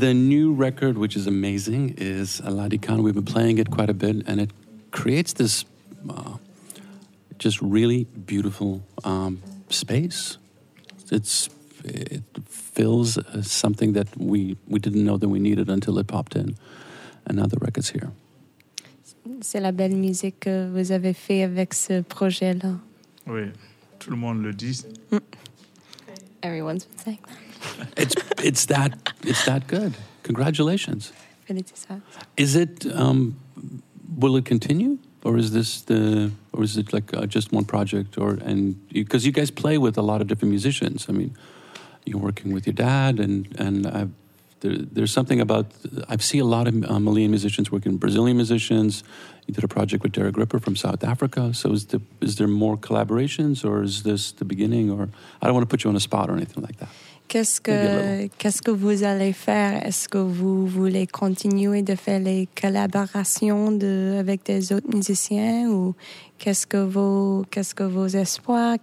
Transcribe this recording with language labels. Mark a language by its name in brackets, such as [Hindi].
[English] The new record, which is amazing, is Aladi Khan. We've been playing it quite a bit, and it creates this just really beautiful space. It fills something that we didn't know that we needed until it popped in. And now the record's here. [French] C'est la belle musique que vous avez fait avec ce projet-là. Oui, tout le monde le dit. [English] Everyone's been saying that. it's that good. Congratulations. Felicitas. Is it will it continue, or is this just one project, because you guys play with a lot of different musicians? I mean, you're working with your dad, and there's something about, I see a lot of Malian musicians working, Brazilian musicians. You did a project with Derek Ripper from South Africa. So is there more collaborations, or is this the beginning? Or I don't want to put you on a spot or anything like that. [French] Qu'est-ce que vous allez faire? Est-ce que vous voulez continuer de faire les collaborations avec des autres musiciens, ou qu'est-ce que vos espoirs?